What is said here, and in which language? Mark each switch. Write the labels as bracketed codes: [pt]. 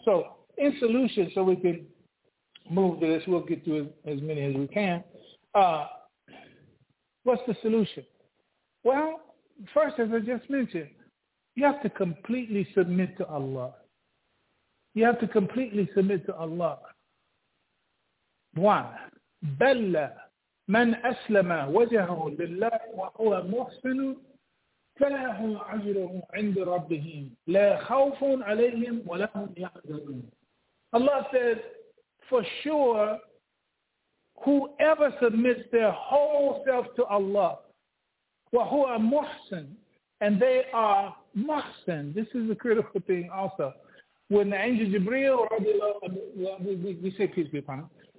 [en] So in solution, so we can move to this, we'll get through as many as we can. What's the solution? Well, first, as I just mentioned, you have to completely submit to Allah. You have to completely submit to Allah. One, Bella. [ar] من أسلم وجهه لله وهو محسن فله أجره عند ربه لا خوف عليهم ولا هم يحزنون. [en] Allah says, for sure, whoever submits their whole self to Allah, [ar] وهو محسن, [en] and they are محسن. This is a critical thing also. When the angel Jibreel, we say peace be upon him.